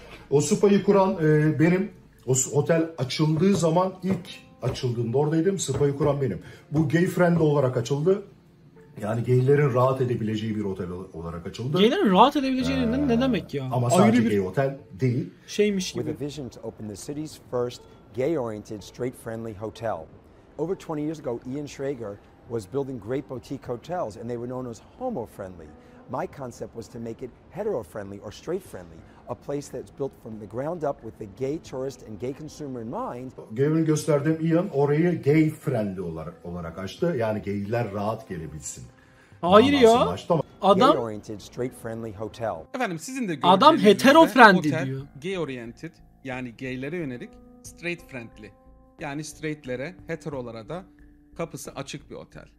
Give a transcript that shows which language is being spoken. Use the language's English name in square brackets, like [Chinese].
[Turkish] O spa'yı kuran benim. O otel açıldığı zaman, ilk açıldığında oradaydım. Spa'yı kuran benim. Bu gay friendly olarak açıldı. Yani gaylerin rahat edebileceği bir otel olarak açıldı. Gaylerin rahat edebileceği ne demek ya? Ama sadece ayrı bir gay otel değil. Şeymiş gibi. [English] With a vision to open the city's first gay-oriented, straight-friendly hotel. Over 20 years ago, Ian Schrager was building great boutique hotels, and they were known as homo-friendly. My concept was to make it hetero-friendly or straight-friendly, a place that's built from the ground up with the gay tourist and gay consumer in mind. [Turkish] Gay'ın gösterdiğim Ian orayı gay-friendly olarak açtı, yani gayler rahat gelebilsin. Hayır ya. Gay-oriented, [English] straight-friendly hotel. [Turkish] Efendim, sizin de adam hetero-friendly diyor. Gay-oriented, yani gaylere yönelik. Straight friendly, yani straightlere, heterolara da kapısı açık bir otel.